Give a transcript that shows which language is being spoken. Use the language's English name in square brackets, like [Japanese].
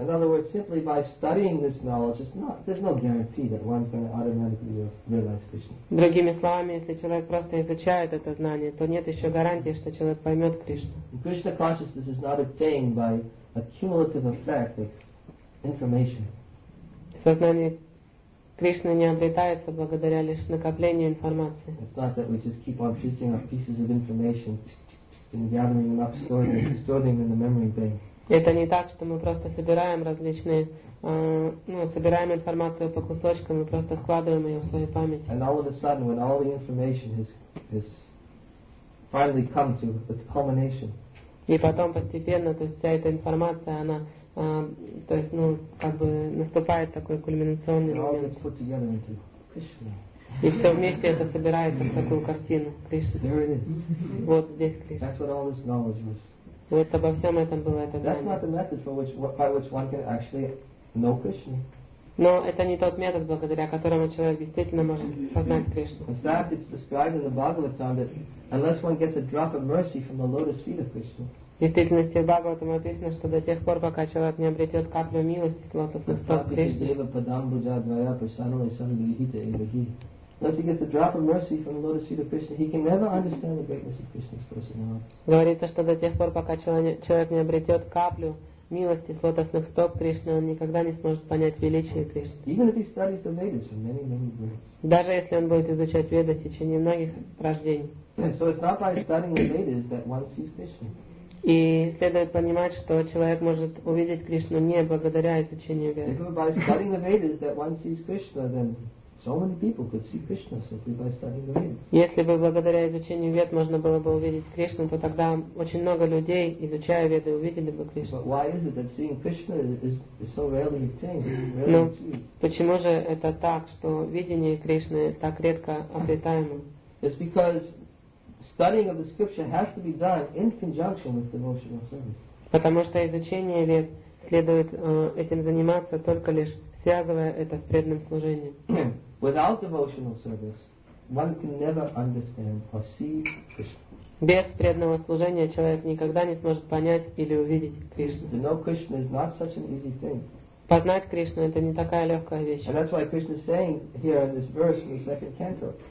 [English] In other words, simply by studying this knowledge, there's no guarantee that one can automatically realize Krishna. [Russian] Другими словами, если человек просто изучает это знание, то нет еще гарантии, что человек поймет Кришну. [English] Krishna consciousness is not obtained by a cumulative effect of information. [Russian] Сознание Кришны не обретается благодаря лишь накоплению информации. [English] It's not that we just keep on feasting up pieces of information and gathering them up, storing them in the memory bank. [Russian] Это не так, что мы просто собираем различные, ну, собираем информацию по кусочкам и просто складываем ее в свою память. [English] And all of a sudden, when all the information has finally come to its culmination. [Russian] И потом постепенно, то есть вся эта информация, она, то есть, ну, как бы наступает такой кульминационный момент. [English] And all gets put together into Krishna. [Russian] И все вместе это собирается в такую картину Кришна. [English] There it is. [Russian] Вот здесь Кришна. [English] That's what all this knowledge was. [Russian] Вот обо всем этом было это знание. [English] That's not the method by which one can actually know Krishna. [Russian] Но это не тот метод, благодаря которому человек действительно может познать Кришну. [English] In fact, it's described in the Bhagavatam that unless one gets a drop of mercy from the lotus feet of Krishna. [Russian] В действительности в Бхагаватам описано, что до тех пор, пока человек не обретет каплю милости с лотосных стоп Кришны. [Sanskrit] Deva padam bhuja dvaya prasanna sambhihita evahi. [English] Unless he gets a drop of mercy from the lotus feet of Krishna, he can never understand the greatness of Krishna's personality. [Russian] Говорится, что до тех пор, пока человек не обретет каплю милости с лотосных стоп Кришны, он никогда не сможет понять величие Кришны. [English] Even if he studies the Vedas from many, many births. [Russian] Даже если он будет изучать Веды в течение многих рождений. [English] So it's not by studying the Vedas that one sees Krishna. [Russian] И следует понимать, что человек может увидеть Кришну не благодаря изучению Веды. [English] If by studying the Vedas that one sees Krishna, then So many people could see Krishna simply by studying the Vedas. [Russian] Если бы благодаря изучению Вед можно было бы увидеть Кришну, то тогда очень много людей, изучая Веды, увидели бы Кришну. [English] But why is it that seeing Krishna is so rarely obtained? [Russian] Но почему же это так, что видение Кришны так редко обретаемо? [English] It's because studying of the scripture has to be done in conjunction with devotional service. [Russian] Потому что изучение Вед следует этим заниматься только лишь связывая это с преданным служением. [English] Without devotional service, one can never understand or see Krishna. [Russian] Без преданного служения человек никогда не сможет понять или увидеть Кришну. [English] To know Krishna is not such an easy thing. [Russian] Познать Кришну это не такая легкая вещь. [English] And that's why Krishna is saying here in this verse in the second canto.